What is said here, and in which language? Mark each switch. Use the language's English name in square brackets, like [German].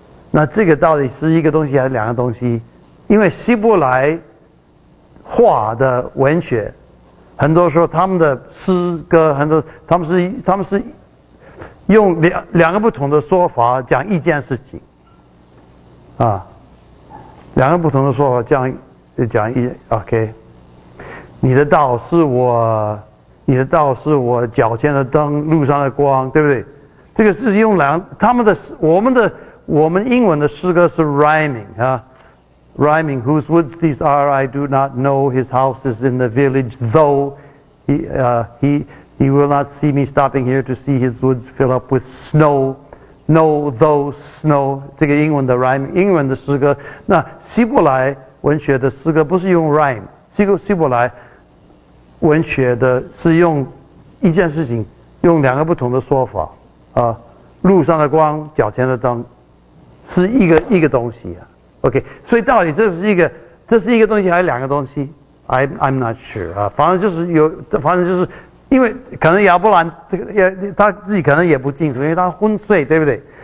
[Chinese] 那这个到底是一个东西还是两个东西？因为希伯来话的文学，很多时候他们的诗歌，很多他们是用两个不同的说法讲一件事情啊，两个不同的说法讲一 OK。你的道是我脚前的灯，路上的光，对不对？这个是用两他们的我们英文的诗歌是 [English] rhyming 啊 ，rhyming whose woods these are I do not know, his house is in the village though he will not see me stopping here to see his woods fill up with snow, no though snow [Chinese] 这个英文的 [English] rhyming [Chinese] 英文的诗歌。那希伯来文学的诗歌不是用 rhyme， 希伯来。文学的是用一件事情用两个不同的说法啊，路上的光脚前的灯是一个东西啊 OK， 所以到底这是一个东西还是两个东西 [English] I'm not sure [Chinese] 啊，反正就是因为可能亚伯兰他自己可能也不清楚，因为他昏睡，对不对？